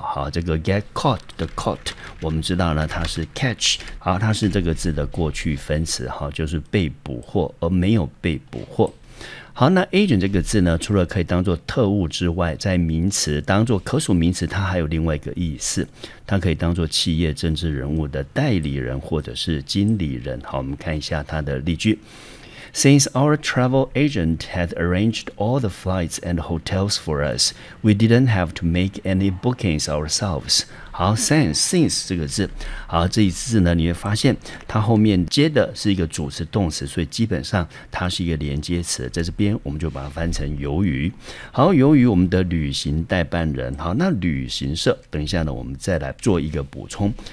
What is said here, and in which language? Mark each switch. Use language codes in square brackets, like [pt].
[zh] 好，这个 get caught 的 caught， 我们知道呢它是 catch， 好，它是这个字的过去分词，好，就是被捕获而没有被捕获。好，那 agent 这个字呢，除了可以当作特务之外，在名词当作可数名词，它还有另外一个意思，它可以当作企业政治人物的代理人或者是经理人。好，我们看一下它的例句。 [en] Since our travel agent had arranged all the flights and hotels for us, we didn't have to make any bookings ourselves. [zh] 好 ，since 这个字，好，这一次呢，你会发现它后面接的是一个主词动词，所以基本上它是一个连接词。在这边我们就把它翻成由于。好，由于我们的旅行代办人，好，那旅行社，等一下呢，我们再来做一个补充。